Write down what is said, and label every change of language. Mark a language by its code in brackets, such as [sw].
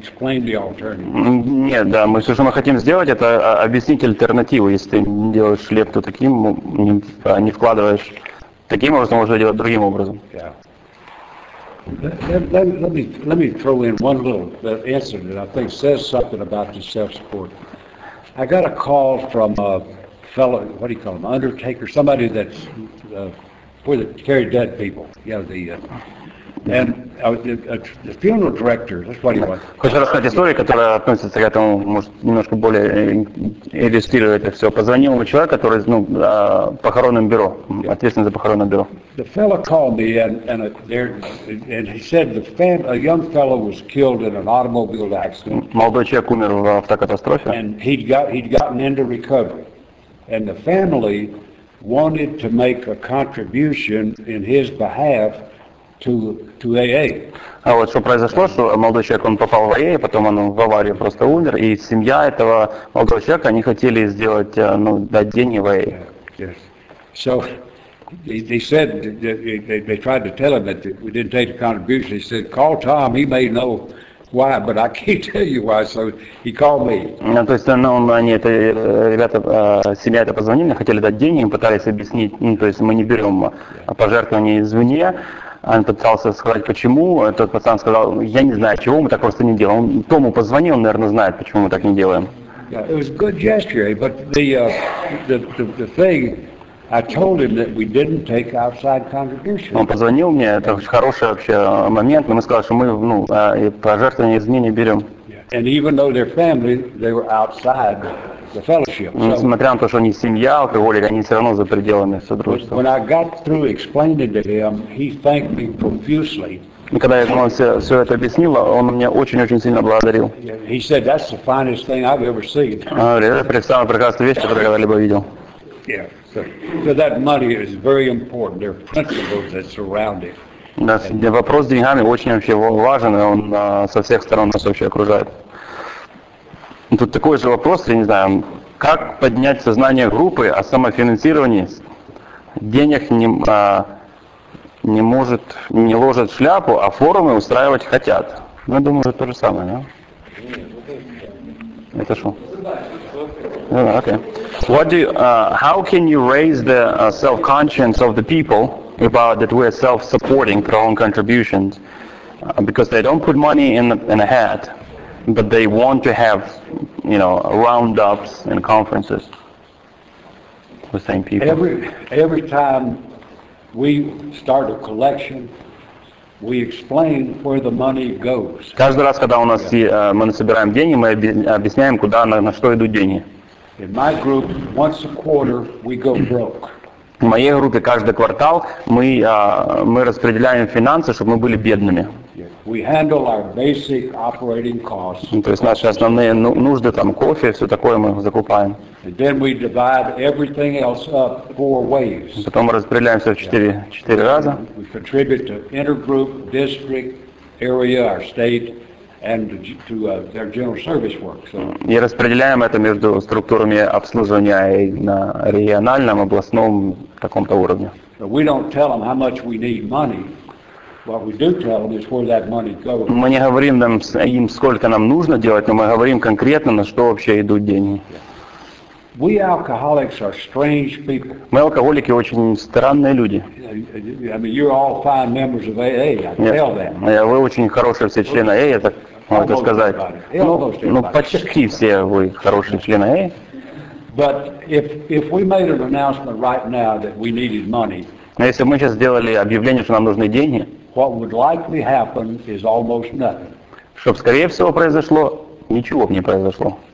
[ru] Нет, да, мы все, что мы хотим сделать, это объяснить альтернативу. Если ты не делаешь лепту таким, не вкладываешь таким образом, можно делать другим образом. [en] Let me throw in one little incident that I think says something about the self-support. I got a call from a fellow, what do you call him, undertaker, somebody that's for the carry dead people. Yeah, the And the funeral director, that's what he was. [ru] Хочу рассказать историю, которая относится к этому, может, немножко более иллюстрирует это все. Позвонил ему человек, который, похоронным бюро, ответственный за похоронное бюро. [en] The fellow called me and he said a young fellow was killed in an automobile accident. [ru] Молодой человек умер в автокатастрофе. [en] And he'd gotten into recovery. And the family wanted to make a contribution in his behalf to AA. [ru] А вот что произошло, что молодой человек, он попал в АА, потом он в аварию просто умер, и семья этого молодого человека, они хотели сделать, дать деньги в АА. [en] So, they said, they tried to tell him that we didn't take the contribution. He said, call Tom, he may know why, but I can't tell you why, so he called me. [ru] То есть, семья это позвонили, хотели дать деньги, им пытались объяснить, то есть мы не берем пожертвования извне. Он пытался сказать, почему. Тот пацан сказал, я не знаю, чего мы так просто не делаем. Он Тому позвонил, он, наверное, знает, почему мы так не делаем. [en] Yeah, it was a good gesture, but the thing, I told him that we didn't take outside contributions. [ru] Он позвонил мне, это очень хороший вообще момент, но мы сказали, что мы пожертвования извне не берем. [en] Yeah. And even though their family, they were outside the fellowship. [ru] Несмотря на то, что они семья, алкоголики, они все равно за пределами содружества. [en] When I got through explaining to him, he thanked me profusely. [ru] И когда я ему все это объяснил, он меня очень-очень сильно благодарил. [en] He said, that's the finest thing I've ever seen. [ru] Он говорит, это самая прекрасная вещь, которую я когда-либо видел. [en] Yeah, so that money is very important. There are principles that surround it. [ru] Да, вопрос с деньгами очень вообще важен, и он со всех сторон нас вообще окружает. Тут такой же вопрос, я не знаю, как поднять сознание группы о самофинансировании? Денег не ложат шляпу, а форумы устраивать хотят. Ну, я думаю, то же самое, да? Это что? Okay. [en] How can you raise the self-conscience of the people about that we're self-supporting for our own contributions? Because they don't put money in a hat, but they want to have, roundups and conferences with the same people. Every time we start a collection, we explain where the money goes. [ru] Каждый раз, когда у нас мы собираем деньги, мы объясняем, куда на что идут деньги. [en] In my group, once a quarter, we go broke. [ru] В моей группе каждый квартал мы распределяем финансы, чтобы мы были бедными. [en] We handle our basic operating costs. [ru] То есть наши основные нужды, там кофе, все такое мы закупаем. [en] And then we divide everything else up four ways. [ru] Потом мы распределяем все в четыре раза. [en] We contribute to intergroup, district, area, our state, and to their general service work. So. [ru] И распределяем это между структурами обслуживания на региональном, областном, таком-то уровне. [en] So we don't tell them how much we need money. What we do tell them is where that money goes. [ru] Мы не говорим им, сколько нам нужно делать, но мы говорим конкретно, на что вообще идут деньги. [en] We alcoholics are strange people. [ru] Мы алкоголики очень странные люди. [en] I mean, you're all fine members of AA. I can tell that. [ru] Вы очень хорошие все члены AA, я так могу сказать. Ну, почти все вы хорошие члены AA. [en] But if we made an announcement right now that we needed money. [ru] Но если мы сейчас сделали объявление, что нам нужны деньги. [en] What would likely happen is almost nothing. [ru] Чтобы скорее всего произошло, ничего бы не произошло.